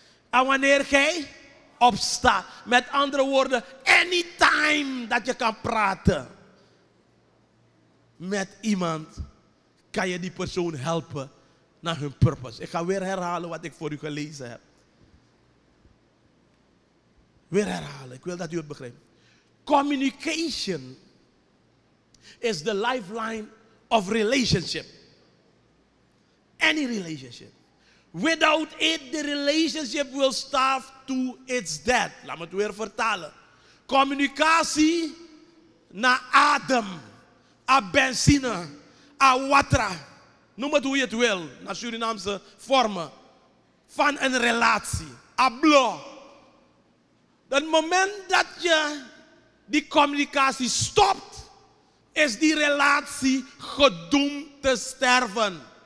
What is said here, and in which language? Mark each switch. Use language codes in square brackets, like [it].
[nl] En wanneer jij opstaat. Met andere woorden, anytime dat je kan praten met iemand, kan je die persoon helpen naar hun purpose. Ik ga weer herhalen wat ik voor u gelezen heb. Weer herhalen, ik wil dat u het begrijpt. [en] Communication is the lifeline of relationship. Any relationship. Without it, the relationship will starve to its death. [nl] Laat me het weer vertalen. Communicatie naar adem, naar benzine, naar water. Noem het hoe je het wil, naar Surinaamse vormen. Van een relatie, naar bloed. Het moment dat je die communicatie stopt, is die relatie gedoemd te sterven.